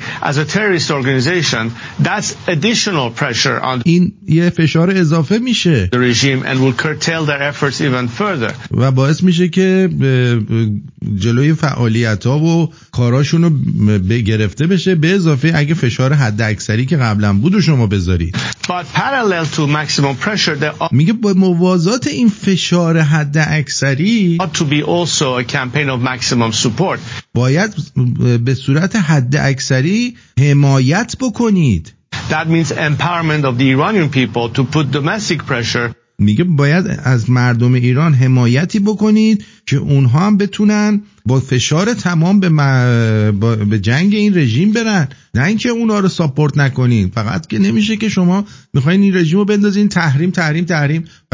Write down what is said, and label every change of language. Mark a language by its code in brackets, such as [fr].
[en] As a terrorist organization, that's additional pressure on. [fa] این یه فشار اضافه میشه. [en] The regime and will curtail their efforts even further. [fa] و باعث میشه که جلوی فعالیت ها و کاراشون رو گرفته بشه، به اضافه اگه فشار حد اکثری که قبلا بود رو شما بذارید. [en] But parallel to maximum pressure, there. [fa] میگه با موازات این فشار حد اکثری. [en] Ought to be also a campaign of maximum support. [fa] باید به صورت حد اکثری حمایت بکنید. [en] That means empowerment of the Iranian people to put domestic pressure. [fa] میگه باید از مردم ایران حمایتی بکنید که اونها هم بتونن با فشار تمام به جنگ این رژیم برن، نه اینکه اونها رو ساپورت نکنید. فقط که نمیشه که شما میخواین این رژیم رو بندازین تحریم